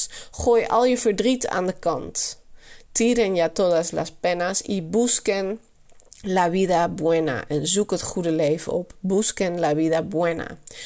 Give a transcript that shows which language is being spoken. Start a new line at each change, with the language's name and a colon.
Dutch: Gooi al je verdriet aan de kant.
Spanish: Tiren ya todas las penas y busquen la vida buena.
Dutch: En zoek het goede leven op.
Spanish: Busquen la vida buena.